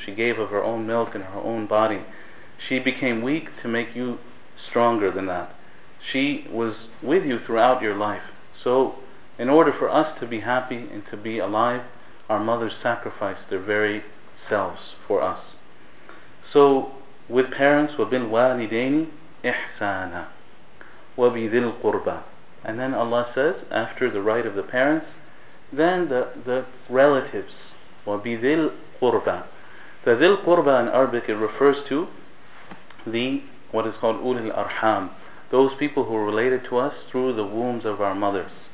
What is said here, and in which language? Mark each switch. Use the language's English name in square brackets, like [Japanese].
[English] She gave of her own milk and her own body. She became weak to make you stronger than that. She was with you throughout your life. So in order for us to be happy and to be alive, our mothers sacrificed their very selves for us. So with parents, [Arabic] وَبِالْوَالِدَيْنِ إِحْسَانًا وَبِذِي الْقُرْبَى. [English] And then Allah says, after the right of the parents, then the relatives, [Arabic] وَبِذِي الْقُرْبَى. [English] The ذِي الْقُرْبَى in Arabic, it refers to the what is called ulil arham, those people who are related to us through the wombs of our mothers.